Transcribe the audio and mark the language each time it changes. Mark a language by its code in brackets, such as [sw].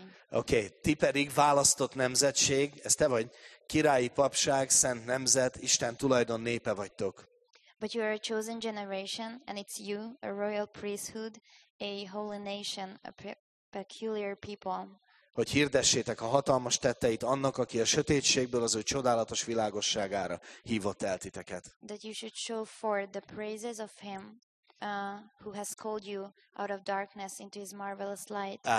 [hu] Okay, ti pedig választott nemzetség, ez te vagy, királyi papság, szent nemzet, Isten tulajdon népe vagytok. [en] But you are a chosen generation and it's you, a royal priesthood, a holy nation, a peculiar people. [hu] Hogy hirdessétek a hatalmas tetteit annak, aki a sötétségből az ő csodálatos világosságára hívott el titeket. [en] That you should show forth the praises of him who has called you out of darkness into his marvelous light.